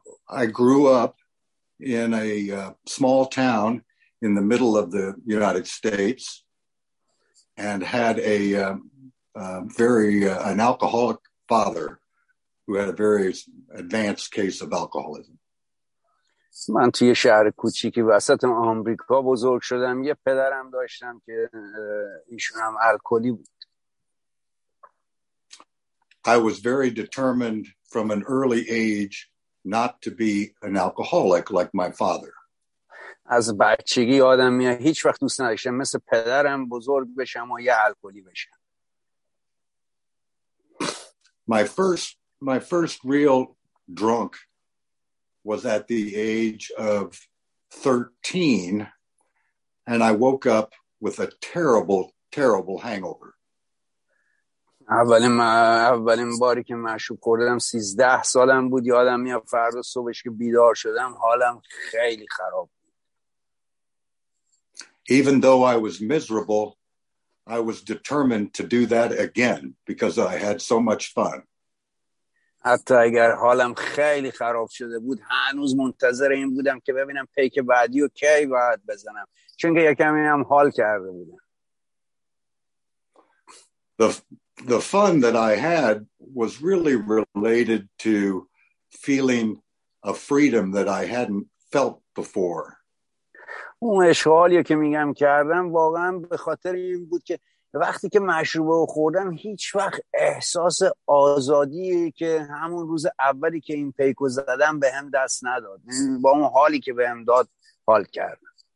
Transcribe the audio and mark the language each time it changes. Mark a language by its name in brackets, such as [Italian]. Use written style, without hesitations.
[English] I grew up in a small town in the middle of the United States and had a an alcoholic father who had a very advanced case of alcoholism. [Persian] من توی شهر کوچیکی وسط آمریکا بزرگ شدم. یه پدرم داشتم که ایشون هم الکلی بود. [English] I was very determined from an early age not to be an alcoholic like my father. [Persian] از بچگی آدم هیچ وقت دوست نداشتم مثل پدرم بزرگ بشم و یه الکلی بشم. [English] My first real drunk was at the age of 13 and I woke up with a terrible, terrible hangover. [Persian] اولین باری که مشروب خوردم 13 سالم بود. یادم میاد فردا صبحش که بیدار شدم حالم خیلی خراب بود. [English] Even though I was miserable, I was determined to do that again because I had so much fun. [Persian] حتی اگر حالم خیلی خراب شده بود هنوز منتظر این بودم که ببینم پیک بعدی رو کی باید بزنم، چون که یکم اینم حال کرده بودم. [English] The fun that I had was really related to feeling a freedom that I hadn't felt before. [Persian] اون اشغالی که میگم کردم واقعا به خاطر این بود که وقتی که مشروب رو خوردم هیچ وقت احساس آزادی که همون روز اولی که این پیکو زدم به هم دست نداد. با اون حالی که به هم داد حال کردم.